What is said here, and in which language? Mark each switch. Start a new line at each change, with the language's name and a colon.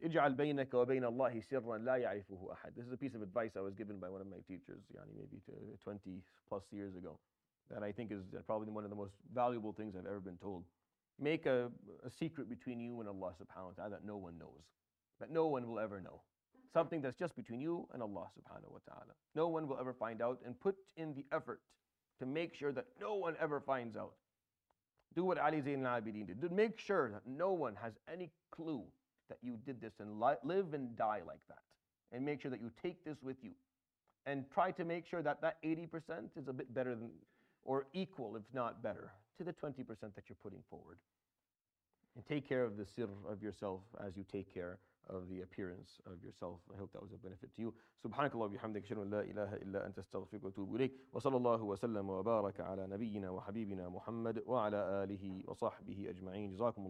Arabic: اجعل بينك وبين الله سرا لا يعرفه أحد.
English: This is a piece of advice I was given by one of my teachers, yani maybe 20 plus years ago, that I think is probably one of the most valuable things I've ever been told. Make a secret between you and Allah subhanahu wa ta'ala that no one knows, that no one will ever know. Something that's just between you and Allah subhanahu wa ta'ala. No one will ever find out, and put in the effort to make sure that no one ever finds out. Do what Ali Zayn al-Abidin did. Make sure that no one has any clue that you did this, and live and die like that. And make sure that you take this with you. And try to make sure that 80% is a bit better than, or equal, if not better, to the 20% that you're putting forward. And take care of the sirr of yourself as you take care of the appearance of yourself. I hope that was a benefit to you.
Arabic: سبحانك الله وبحمدك اشهد ان لا اله الا انت استغفرك واتوب اليك وصلى الله وسلم وبارك على نبينا وحبيبنا محمد وعلى اله وصحبه اجمعين جزاكم الله